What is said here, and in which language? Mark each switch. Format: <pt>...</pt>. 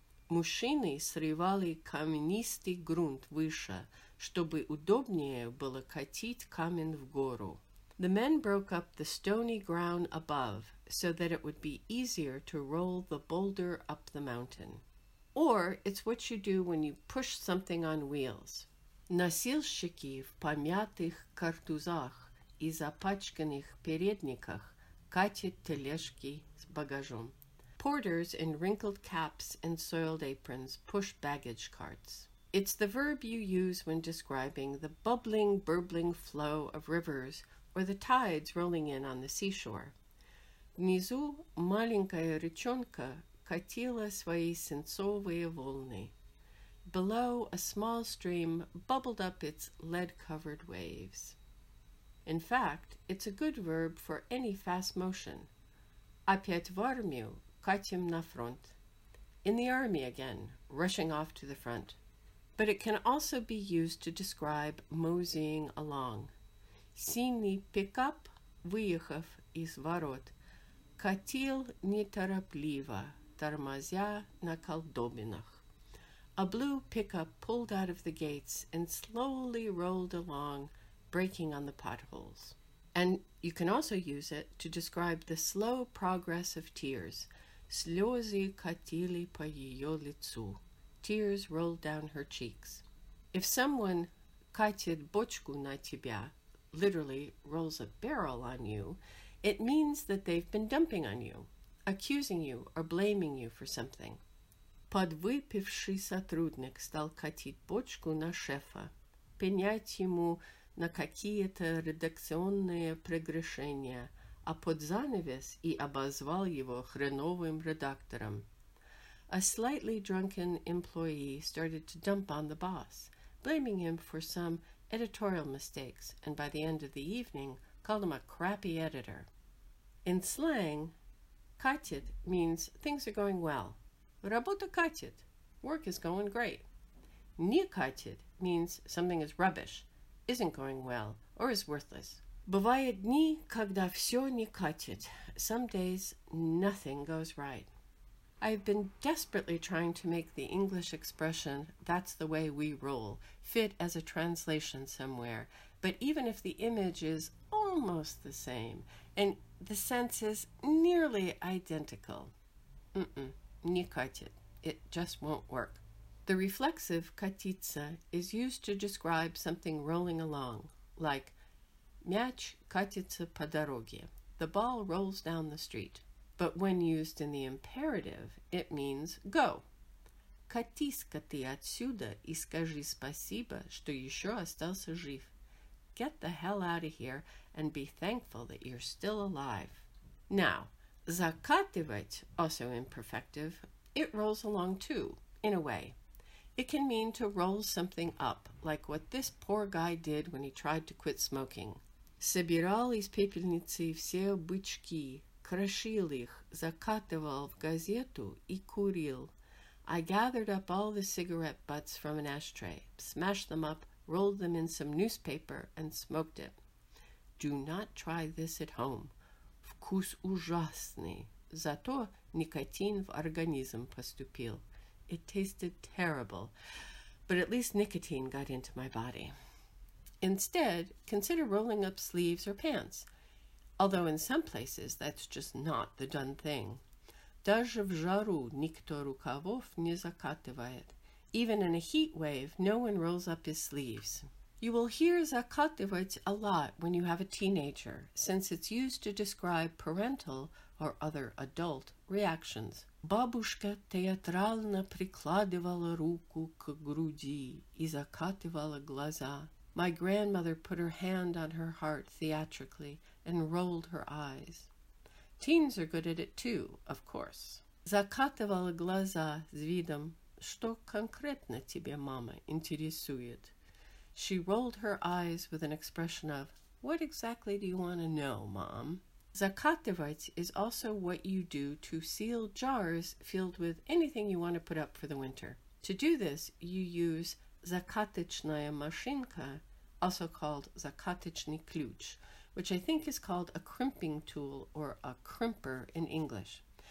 <ru>Мужчины срывали каменистый грунт выше, чтобы удобнее было катить камень в гору.</ru> <en>The men broke up the stony ground above so that it would be easier to roll the boulder up the mountain. Or it's what you do when you push something on wheels.</en> <ru>Носильщики в помятых картузах и запачканных передниках катят тележки с багажом.</ru> <en>Porters in wrinkled caps and soiled aprons push baggage carts. It's the verb you use when describing the bubbling, burbling flow of rivers or the tides rolling in on the seashore.</en> <ru>Внизу маленькая речонка катила свои свинцовые волны.</ru> <en>Below, a small stream bubbled up its lead-covered waves. In fact, it's a good verb for any fast motion.</en> <ru>Опять в армию катим на фронт.</ru> <en>In the army again, rushing off to the front. But it can also be used to describe moseying along.</en> <ru>Синий пикап, выехав из ворот, катил неторопливо, тормозя на колдобинах.</ru> <en>A blue pickup pulled out of the gates and slowly rolled along, breaking on the potholes. And you can also use it to describe the slow progress of tears.</en> <ru>Слезы катили по ее лицу.</ru> <en>Tears rolled down her cheeks. If someone катит бочку на тебя, literally rolls a barrel on you, it means that they've been dumping on you, accusing you or blaming you for something.</en> <ru>Подвыпивший сотрудник стал катить бочку на шефа, пенять ему на какие-то редакционные прегрешения, а под занавес и обозвал его хреновым редактором.</ru> <en>A slightly drunken employee started to dump on the boss, blaming him for some editorial mistakes, and by the end of the evening, called him a crappy editor. In slang, катит means things are going well.</en> <ru>Работа катит.</ru> <en>Work is going great. Не катит means something is rubbish, isn't going well, or is worthless.</en> <ru>Бывают дни, когда все не катит.</ru> <en>Some days, nothing goes right. I've been desperately trying to make the English expression, that's the way we roll, fit as a translation somewhere. But even if the image is almost the same, and the sense is nearly identical, не катит, it just won't work. The reflexive катиться is used to describe something rolling along, like</en> <ru>мяч катится по дороге,</ru> <en>the ball rolls down the street. But when used in the imperative, it means go.</en> <ru>Катись-ка ты отсюда и скажи спасибо, что еще остался жив.</ru> <en>Get the hell out of here and be thankful that you're still alive. Now, закатывать, also imperfective, it rolls along too, in a way. It can mean to roll something up, like what this poor guy did when he tried to quit smoking.</en> <ru>Собирал из пепельницы все бычки, крошил их, закатывал в газету и курил.</ru> <en>I gathered up all the cigarette butts from an ashtray, smashed them up, rolled them in some newspaper, and smoked it. Do not try this at home.</en> <ru>Вкус ужасный. Зато никотин в организм поступил.</ru> <en>It tasted terrible, but at least nicotine got into my body. Instead, consider rolling up sleeves or pants, although in some places that's just not the done thing.</en> <ru>Даже в жару никто рукавов не закатывает.</ru> <en>Even in a heat wave, no one rolls up his sleeves. You will hear закатывать a lot when you have a teenager, since it's used to describe parental or other adult reactions.</en> <ru>Бабушка театрально прикладывала руку к груди и закатывала глаза.</ru> <en>My grandmother put her hand on her heart theatrically and rolled her eyes. Teens are good at it too, of course.</en> <ru>Закатывала глаза с видом, что конкретно тебе, мама, интересует.</ru> <en>She rolled her eyes with an expression of, what exactly do you want to know, mom? Закатывать is also what you do to seal jars filled with anything you want to put up for the winter. To do this, you use закаточная машинка, also called закаточный ключ, which I think is called a crimping tool or a crimper in English.</en>